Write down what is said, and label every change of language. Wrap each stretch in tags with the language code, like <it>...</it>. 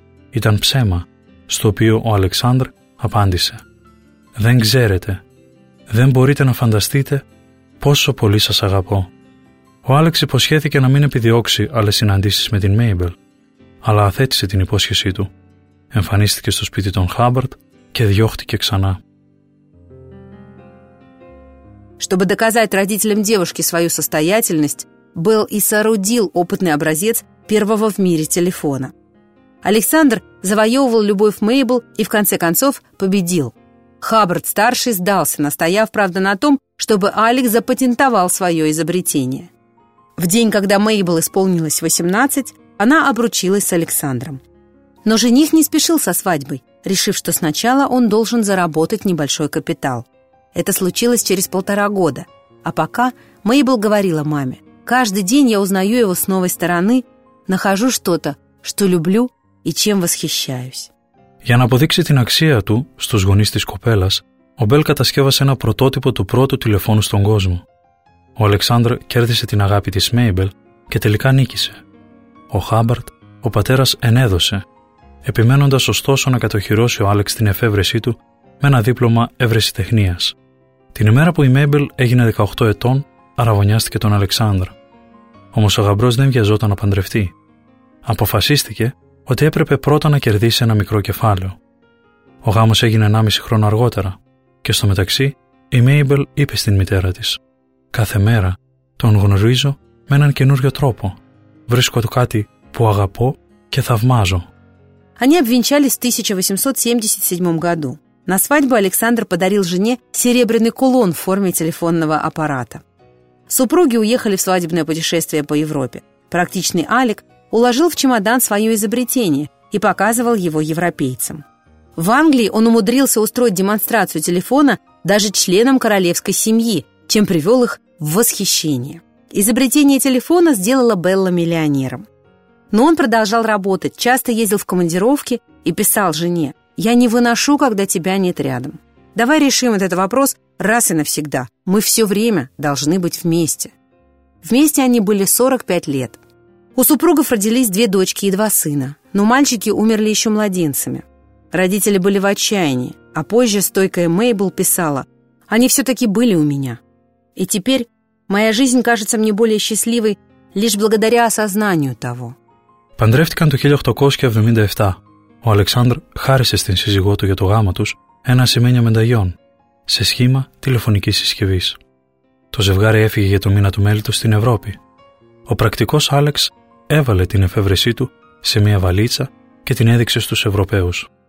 <el>Ήταν ψέμα, στο οποίο ο Αλεξάνδρ απάντησε. «Δεν ξέρετε. Δεν μπορείτε να φανταστείτε πόσο πολύ σας αγαπώ». Ο Άλεξ υποσχέθηκε να μην επιδιώξει άλλες συναντήσεις με την Μέιμπελ, αλλά αθέτησε την υπόσχεσή του. Εμφανίστηκε στο σπίτι των Χάμπαρτ και διώχτηκε ξανά.</el> <ru>Чтобы доказать родителям девушки свою состоятельность, Белл и соорудил опытный образец первого в мире телефона. Александр завоевывал любовь Мейбл и в конце концов победил. Хаббард-старший сдался, настояв, правда, на том, чтобы Алекс запатентовал свое изобретение. В день, когда Мейбл исполнилось 18, она обручилась с Александром. Но жених не спешил со свадьбой, решив, что сначала он должен заработать небольшой капитал. Это случилось через полтора года. А пока Мейбл говорила маме, «Каждый день я узнаю его с новой стороны, нахожу что-то, что люблю и чем восхищаюсь».</ru> <el>Για να αποδείξει την αξία του στους γονείς της κοπέλας, ο Μπέλ κατασκεύασε ένα πρωτότυπο του πρώτου τηλεφώνου στον κόσμο. Ο Αλεξάνδρ κέρδισε την αγάπη της Μέιμπελ και τελικά νίκησε. Ο Χάμπαρτ, ο πατέρας, ενέδωσε, επιμένοντας ωστόσο να κατοχυρώσει ο Άλεξ την εφεύρεσή του με ένα δίπλωμα ευρεσιτεχνίας. Την ημέρα που η Μέιμπελ έγινε 18 ετών, αραβωνιάστηκε τον Αλεξάνδρ. Όμως ο γαμπρός δεν βιαζόταν να παντρευτεί. Αποφασίστηκε ότι έπρεπε πρώτα να κερδίσει ένα μικρό κεφάλαιο. Ο γάμος έγινε 1,5 χρόνο αργότερα και στο μεταξύ η Μέιμπελ είπε στην μητέρα της: «Κάθε μέρα τον γνωρίζω με έναν καινούριο τρόπο. Βρίσκω του κάτι που αγαπώ και θαυμάζω».</el> <ru>Они обвенчались в 1877 году. На свадьбу Александр подарил жене серебряный кулон в форме телефонного аппарата. Супруги уехали в свадебное путешествие по Европе. Практичный Алек уложил в чемодан свое изобретение и показывал его европейцам. В Англии он умудрился устроить демонстрацию телефона даже членам королевской семьи, чем привел их в восхищение. Изобретение телефона сделало Белла миллионером. Но он продолжал работать, часто ездил в командировки и писал жене: «Я не выношу, когда тебя нет рядом. Давай решим этот вопрос раз и навсегда. Мы все время должны быть вместе». Вместе они были 45 лет. У супругов родились две дочки и два сына, но мальчики умерли еще младенцами. Родители были в отчаянии, а позже стойкая Мейбл писала: «Они все-таки были у меня. И теперь моя жизнь кажется мне более счастливой лишь благодаря осознанию того».</ru> <el>Παντρεύτηκαν το 1877. Ο Αλεξάνδρ χάρισε στην σύζυγό του για το γάμο τους ένα σημαίνιο μενταγιών σε σχήμα τηλεφωνικής συσκευής. Το ζευγάρι έφυγε για το μήνα του μέλητος στην Ευρώπη. Ο πρακτικός Άλεξ έβαλε την εφεύρεσή του σε μια βαλίτσα και την έδειξε στους Ευρωπαίους.</el>